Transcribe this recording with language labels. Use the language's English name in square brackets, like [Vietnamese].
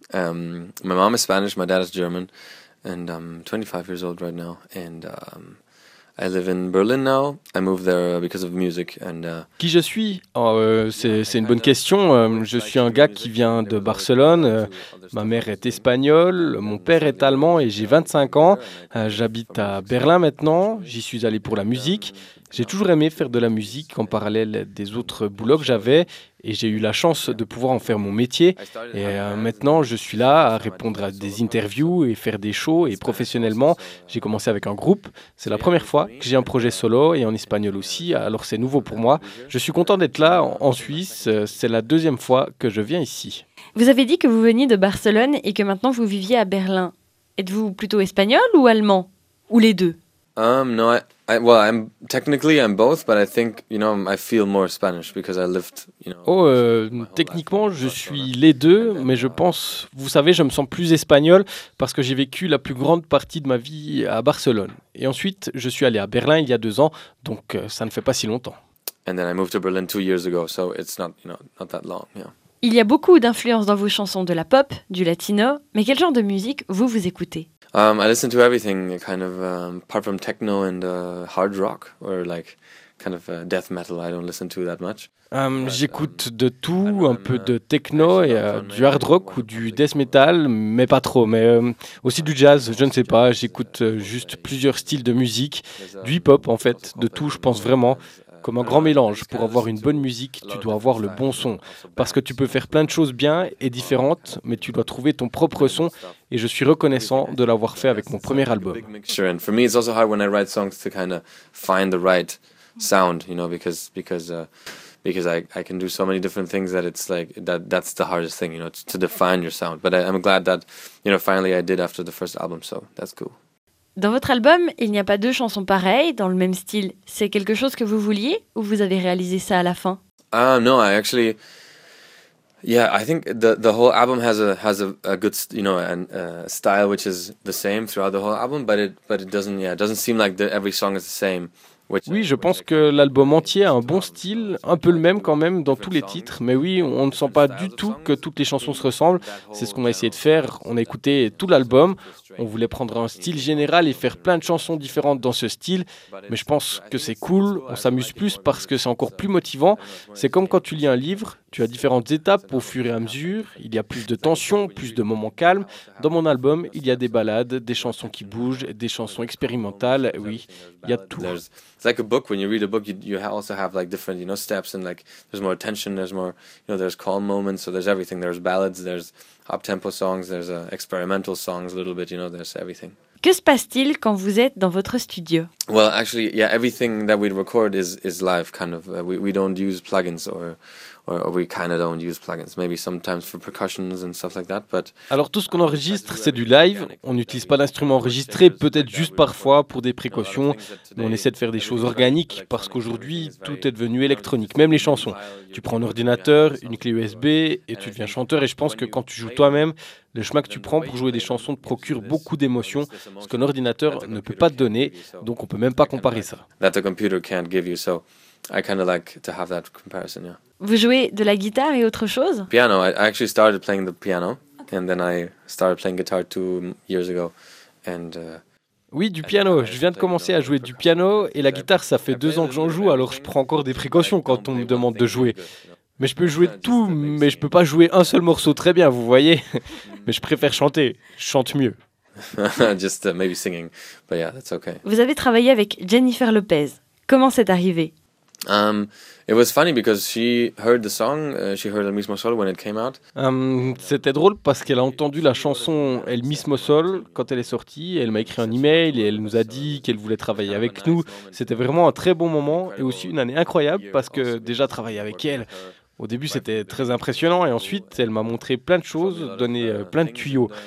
[English] My mom is Spanish, my dad is German, and I'm 25 years old right now, and I live in Berlin now. I moved there because of music. And, [French] qui je suis? C'est une bonne question. Je suis un gars qui vient de Barcelone. Ma mère est espagnole, mon père est allemand et j'ai 25 ans. J'habite à Berlin maintenant. J'y suis allé pour la musique. J'ai toujours aimé faire de la musique en parallèle des autres boulots que j'avais et j'ai eu la chance de pouvoir en faire mon métier. Et maintenant, je suis là à répondre à des interviews et faire des shows. Et professionnellement, j'ai commencé avec un groupe. C'est la première fois que j'ai un projet solo et en espagnol aussi. Alors, c'est nouveau pour moi. Je suis content d'être là en Suisse. C'est la deuxième fois que je viens ici. Vous avez dit que vous veniez de Barcelone et que maintenant vous viviez à Berlin. Êtes-vous plutôt espagnol ou allemand? Ou les deux? [English] Non, I'm both, but I think, you know, I feel more Spanish because I lived, you know. [French] Techniquement, je suis les deux, mais je pense, vous savez, je me sens plus espagnol parce que j'ai vécu la plus grande partie de ma vie à Barcelone. Et ensuite, je suis allé à Berlin il y a 2 ans, donc ça ne fait pas si longtemps. [English] And then I moved to Berlin 2 years ago, so it's not, you know, not that long, yeah. [French] Il y a beaucoup d'influences dans vos chansons, de la pop, du latino, mais quel genre de musique vous écoutez? [English] I listen to everything, kind of, apart from techno and hard rock, or like, kind of death metal, I don't listen to that much. [French] J'écoute de tout, un peu de techno et du hard rock ou du death metal, mais pas trop, mais aussi du jazz, je ne sais pas, j'écoute juste plusieurs styles de musique, du hip-hop en fait, de tout, je pense vraiment. Comme un grand mélange, pour avoir une bonne musique, tu dois avoir le bon son. Parce que tu peux faire plein de choses bien et différentes, mais tu dois trouver ton propre son. Et je suis reconnaissant de l'avoir fait avec mon premier album. [English] Sure, and for me, it's also hard when I write songs to kind of find the right sound, you know, because I can do so many different things that it's like that's the hardest thing, you know, to define your sound. But I'm glad that, you know, finally I did after the first album, so that's cool. [French] Dans votre album, il n'y a pas 2 chansons pareilles, dans le même style. C'est quelque chose que vous vouliez ou vous avez réalisé ça à la fin? [English] No, I actually... Yeah, I think the whole album has a good, you know, and style which is the same throughout the whole album, but it doesn't, yeah, it doesn't seem like every song is the same. [French] Oui, je pense que l'album entier a un bon style, un peu le même quand même dans tous les titres. Mais oui, on ne sent pas du tout que toutes les chansons se ressemblent. C'est ce qu'on a essayé de faire. On a écouté tout l'album. On voulait prendre un style général et faire plein de chansons différentes dans ce style. Mais je pense que c'est cool. On s'amuse plus parce que c'est encore plus motivant. C'est comme quand tu lis un livre. Tu as différentes étapes au fur et à mesure. Il y a plus de tension, plus de moments calmes. Dans mon album, il y a des balades, des chansons qui bougent, des chansons expérimentales. Oui, il y a tout. [English] It's like a book. When you read a book, you also have like different, you know, steps and like there's more tension, there's more, you know, there's calm moments. So there's everything. There's ballads, there's up-tempo songs, there's experimental songs, a little bit, you know, there's everything. [French] Que se passe-t-il quand vous êtes dans votre studio? [English] Well, actually, yeah, everything that we record is live, kind of. We don't use plugins or we kind of don't use plugins. Maybe sometimes for percussions and stuff like that, but... [French] Alors, tout ce qu'on enregistre, c'est du live. On n'utilise pas d'instruments enregistrés, peut-être juste parfois pour des précautions. Mais on essaie de faire des choses organiques parce qu'aujourd'hui, tout est devenu électronique, même les chansons. Tu prends un ordinateur, une clé USB et tu deviens chanteur. Et je pense que quand tu joues toi-même, le chemin que tu prends pour jouer des chansons te procure beaucoup d'émotions, ce qu'un ordinateur ne peut pas te donner, donc on ne peut même pas comparer ça. [English] That a computer can't give you, so I kind of like to have that comparison, yeah. [French] Vous jouez de la guitare et autre chose? [English] Piano, I actually started playing the piano, and then I started playing guitar 2 years ago, and... [French] Oui, du piano. Je viens de commencer à jouer du piano, et la guitare, ça fait 2 ans que j'en joue, alors je prends encore des précautions quand on me demande de jouer. Mais je peux jouer tout, mais je peux pas jouer un seul morceau très bien, vous voyez. Mais je préfère chanter. Je chante mieux. [English] Just maybe singing, but yeah, that's okay. [French] Vous avez travaillé avec Jennifer Lopez. Comment c'est arrivé? [English] It was funny because she heard the song. She heard El Mismo Sol when it came out. [French] C'était drôle parce qu'elle a entendu la chanson El Mismo Sol quand elle est sortie. Elle m'a écrit un email et elle nous a dit qu'elle voulait travailler avec nous. C'était vraiment un très bon moment et aussi une année incroyable parce que déjà travailler avec elle. Au début, c'était très impressionnant et ensuite, elle m'a montré plein de choses, donné plein de tuyaux.